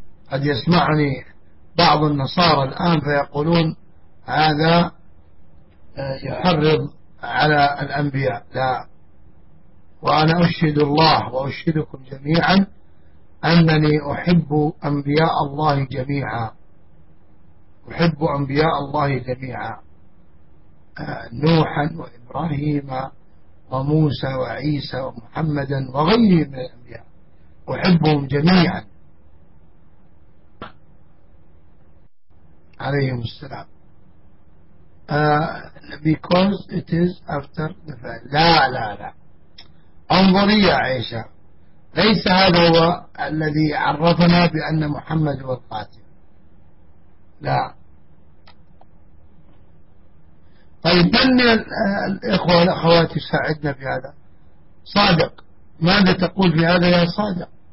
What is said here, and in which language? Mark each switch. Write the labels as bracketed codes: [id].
[ar] قد يسمعني بعض النصارى الآن فيقولون هذا يحرض على الأنبياء، لا، وأنا أشهد الله وأشهدكم جميعا أنني أحب أنبياء الله جميعا، أحب أنبياء الله جميعا، نوحا وإبراهيم وموسى وعيسى ومحمدا وغيره من الأنبياء، أحبهم جميعا عليهم السلام. [en] Because it is after the fact. [ar] لا انظري يا عيشة، ليس هذا هو الذي عرفنا بأن محمد هو القاتل، لا. طيب من الإخوة والأخوات يساعدنا بهذا؟ صادق، ماذا تقول بهذا يا صادق؟